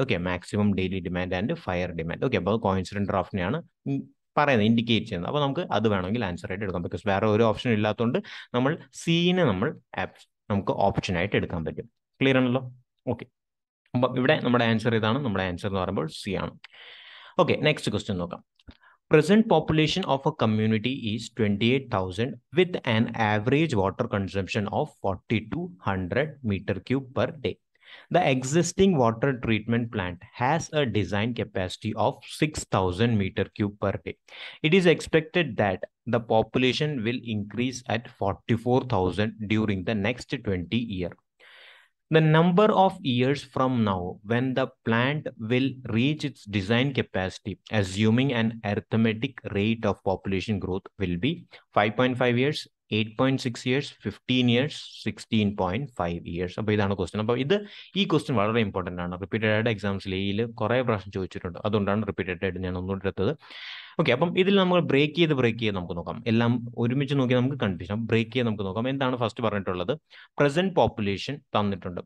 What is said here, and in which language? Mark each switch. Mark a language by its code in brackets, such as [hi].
[ml] Okay, maximum daily demand and fire demand. Okay, അപ്പോൾ coincident ഡ്രാഫ്റ്റിനെയാണ് പറയുന്നത്, indicate ചെയ്യുന്നത്. അപ്പോൾ നമുക്ക് അത് വേണമെങ്കിൽ ആൻസർ ആയിട്ട് എടുക്കാം, ബിക്കോസ് വേറെ ഒരു ഓപ്ഷൻ ഇല്ലാത്തതുകൊണ്ട് നമ്മൾ സീനെ നമ്മൾ നമുക്ക് ഓപ്ഷൻ ആയിട്ട് എടുക്കാൻ പറ്റും. ക്ലിയർ ആണല്ലോ. ഓക്കെ, അപ്പം ഇവിടെ നമ്മുടെ ആൻസർ ഏതാണ്? നമ്മുടെ ആൻസർ എന്ന് പറയുമ്പോൾ സി ആണ്. ഓക്കെ, നെക്സ്റ്റ് ക്വസ്റ്റ്യൻ നോക്കാം. [en] Present population of a community is 28,000 with an average water consumption of 4,200 meter cube per day. The existing water treatment plant has a design capacity of 6,000 meter cube per day. It is expected that the population will increase at 44,000 during the next 20 years. The number of years from now when the plant will reach its design capacity, assuming an arithmetic rate of population growth, will be 5.5 years, 8.6 years, 15 years, 16.5 years. [ml] അപ്പോൾ ഇതാണ് question. അപ്പോൾ ഇത് ഈ question വളരെ important ആണ്. Repeated ആയിട്ട് എക്സാംസിലെ ഇതിൽ കുറേ പ്രാവശ്യം ചോദിച്ചിട്ടുണ്ട്, അതുകൊണ്ടാണ് റിപ്പീറ്റഡ് ആയിട്ട് ഞാൻ ഒന്നുകൂടെ എടുത്തത്. ഓക്കെ, അപ്പം ഇതിൽ നമ്മൾ ബ്രേക്ക് ചെയ്ത് നമുക്ക് നോക്കാം. എല്ലാം ഒരുമിച്ച് നോക്കി നമുക്ക് കൺഫ്യൂഷൻ. ബ്രേക്ക് ചെയ്ത് നമുക്ക് നോക്കാം എന്താണ് ഫസ്റ്റ് പറഞ്ഞിട്ടുള്ളത്. പ്രസന്റ് പോപ്പുലേഷൻ തന്നിട്ടുണ്ട്.